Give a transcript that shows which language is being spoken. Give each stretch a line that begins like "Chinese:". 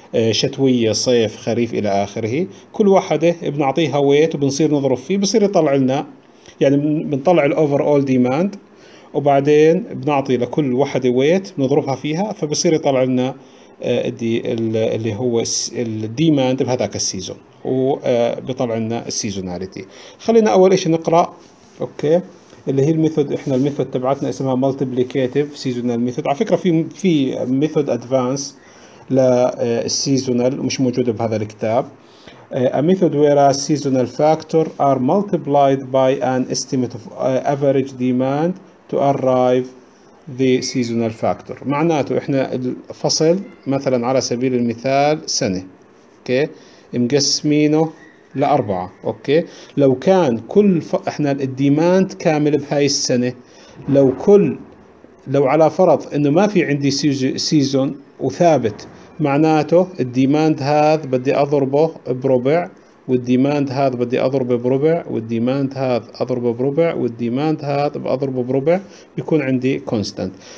Arabic: شتوية صيف خريف إلى آخره، كل واحدة بنعطيها ويت وبنصير نضرب فيه بصير يطلع لنا يعني بنطلع الأوفر أول ديماند، وبعدين بنعطي لكل واحدة ويت بنضربها فيها فبصير يطلع لنا اللي هو الديماند بهذاك السيزون وبيطلع لنا السيزوناليتي. خلينا أول إشي نقرأ. أوكي، اللي هي الميثود، إحنا الميثود تبعتنا اسمها مالتيبليكاتيف سيزونال ميثود. على فكرة في ميثود أدفانس للسيزونال مش موجود بهذا الكتاب.
English: A method where a seasonal factor are multiplied by an estimate of average demand to arrive the seasonal factor.
Arabic: معناته احنا الفصل مثلا على سبيل المثال سنة، اوكي، مقسمينه لاربعة. اوكي، لو كان كل احنا الديماند كامل بهاي السنة، لو على فرض انه ما في عندي سيزون وثابت، معناته الديماند هذا بدي اضربه بربع، والديماند هذا بدي اضربه بربع، والديماند هذا اضربه بربع، والديماند هذا بضربه بربع، بيكون عندي كونستانت.